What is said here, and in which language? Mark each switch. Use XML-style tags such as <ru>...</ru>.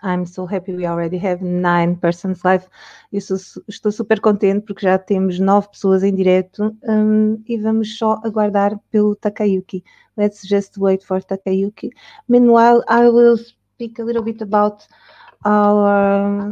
<en>I'm so happy we already have 9 persons live.</en> <pt>Estou super contente porque já temos 9 pessoas em direto e vamos só aguardar pelo Takayuki.</pt> <en>Let's just wait for Takayuki. Meanwhile, I will speak a little bit about our.</en>